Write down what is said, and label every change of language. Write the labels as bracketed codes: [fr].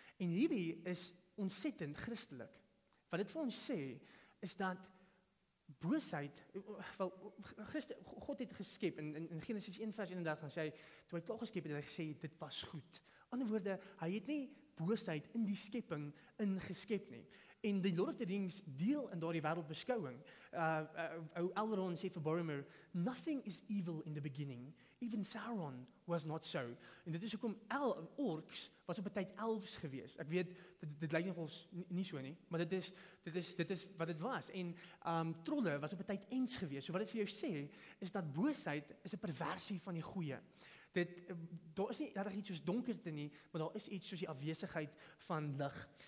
[af] En hierdie is ontsettend christelik. Wat dit vir ons sê, is dat boosheid, wel, God het geskep, in Genesis 1 vers 31 gaan sê, toe hy klaar geskep het, het hy gesê, dit was goed. Ander woorde, hy het nie boosheid in die skepping ingeskep nie. En die Lord of the Rings deel in daardie wêreldbeskouing. [en] Elrond [af] sê vir [en] Boromir, nothing is evil in the beginning, even Sauron was not so. [af] En dit is ook om orks was op 'n tyd elves gewees. Ek weet, dit lyk nog ons nie so nie, maar dit is wat dit was. En trolle was op 'n tyd ents gewees. So wat dit vir jou sê, is dat boosheid is 'n perversie van die goeie. Dit, daar is nie regtig iets soos donkerte nie, maar daar is iets soos die afwesigheid van lig.